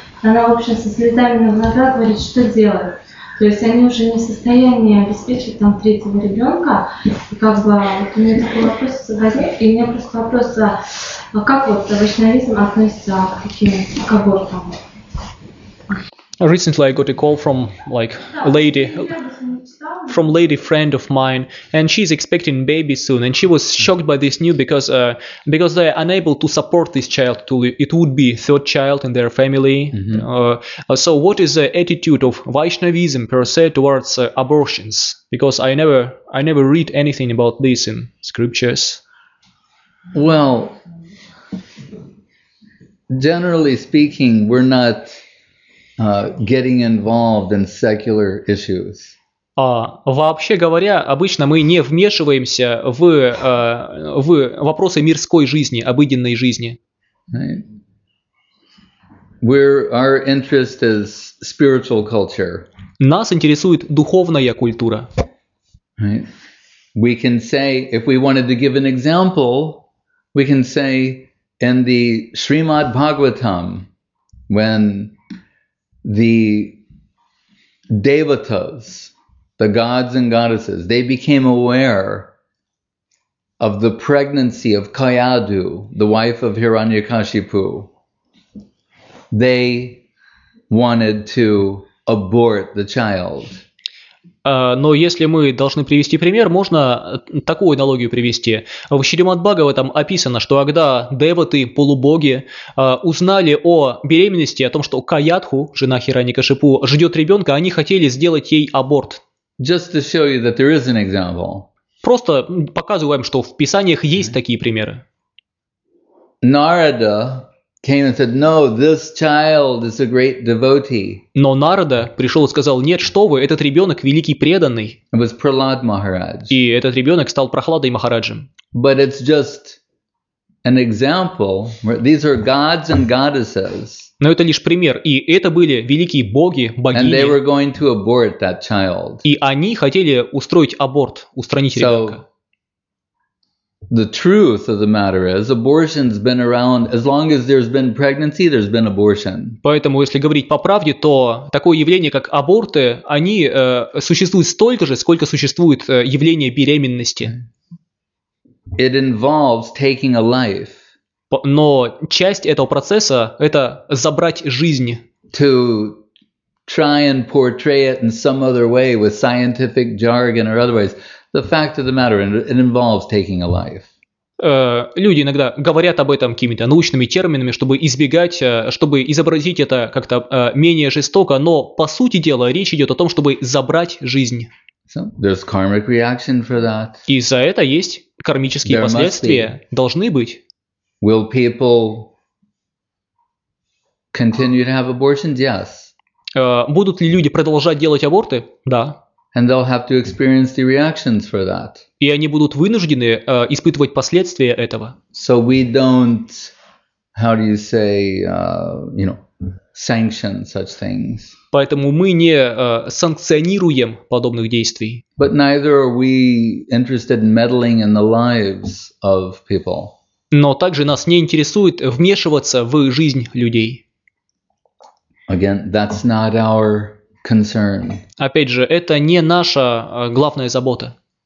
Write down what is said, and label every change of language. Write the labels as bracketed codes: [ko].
[ru] Она, в общем, со слезами на глазах говорит, что делать. То есть они уже не в состоянии обеспечить там третьего ребенка. И как бы вот у меня такой вопрос возник, и у меня просто вопрос, а как вот вайшнавизм относится к таким абортам? [en] Recently, I got a call from like a lady, from lady friend of mine, and she's expecting baby soon. And she was shocked by this news because they are unable to support this child. It would be third child in their family. Mm-hmm. So, what is the attitude of Vaishnavism per se towards abortions? Because I never read anything about this in scriptures. Well, generally speaking, we're not getting involved in secular issues. [ru] Вообще говоря, обычно мы не вмешиваемся в вопросы мирской жизни, обыденной жизни. [en] Right. Our interest is spiritual culture. [ru] Нас интересует духовная культура. [en] Right. We can say, if we wanted to give an example, we can say in the Srimad Bhagavatam, when the devatas, the gods and goddesses, they became aware of the pregnancy of Kayadu, the wife of Hiranyakashipu. They wanted to abort the child. [ru] Но если мы должны привести пример, можно такую аналогию привести. В Шримад-Бхагаватам описано, что когда деваты, полубоги, узнали о беременности, о том, что Каятху, жена Хиранякашипу, ждет ребенка, они хотели сделать ей аборт. [en] Just to show you that there is an example. [ru] Просто показываем, что в писаниях есть mm-hmm. такие примеры. [en] Narada came and said, "No, this child is a great devotee." [ru] Но Нарада пришел и сказал: "Нет, что вы, этот ребенок великий преданный." [en] It was Prahlad Maharaj. [ru] И этот ребенок стал Прохладой Махараджем. [en] But it's just an example. These are gods and goddesses. [ru] Но это лишь пример, и это были великие боги, богини. [en] And they were going to abort that child. [ru] И они хотели устроить аборт, устранить ребенка. [en] So, the truth of the matter is, abortion's been around as long as there's been pregnancy, there's been abortion. [ru] Поэтому, если говорить по правде, то такое явление, как аборты, они существуют столько же, сколько существует явление беременности. [en] It involves taking a life. [ru] Но часть этого процесса – это забрать жизнь. [en] To try and portray it in some other way with scientific jargon or otherwise. The fact of the matter, it involves taking a life. [ru] Люди иногда говорят об этом какими-то научными терминами, чтобы избегать, чтобы изобразить это как-то менее жестоко, но по сути дела речь идет о том, чтобы забрать жизнь. [en] So, there's karmic reaction for that. [ru] И за это есть кармические [en] there [ru] последствия. [en] Must be. [ru] Должны быть. [en] Will people continue to have abortions? Yes. [ru] Будут ли люди продолжать делать аборты? Да. [en] And they'll have to experience the reactions for that. [ru] И они будут вынуждены испытывать последствия этого. [en] So we don't, how do you say, you know, sanction such things. [ru] Поэтому мы не санкционируем подобных действий. [en] But neither are we interested in meddling in the lives of people. [ru] Но также нас не интересует вмешиваться в жизнь людей. [en] Again, that's not our concern. [ru] Опять же, это не наша главная забота.